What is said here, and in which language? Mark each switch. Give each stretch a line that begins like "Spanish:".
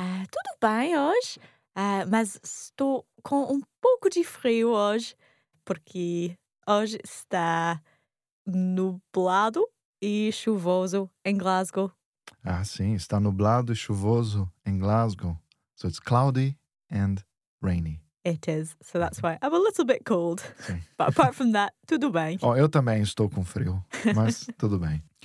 Portuguese: Tudo bem hoje, mas estou com um pouco de frio hoje, porque hoje está nublado e chuvoso em Glasgow. Ah, sim, está nublado e chuvoso em Glasgow.
English: So it's cloudy and rainy. It is, so that's why I'm a little bit cold.
Portuguese: Sim.
English: But apart from that,
Portuguese: tudo bem. Oh, eu também estou com frio, mas tudo bem.